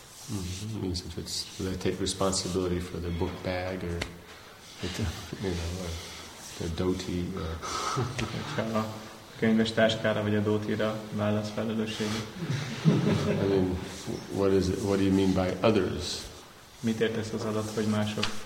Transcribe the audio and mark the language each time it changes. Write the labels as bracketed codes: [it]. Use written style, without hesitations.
[en] It means if it's, they take responsibility for their book bag or, you know, or their dhoti or. [hu] Könyvestáskára vagy a dhotira válasz felelősséget. [en] I mean, what is it? What do you mean by others? [hu] Mit értesz az alatt, hogy mások?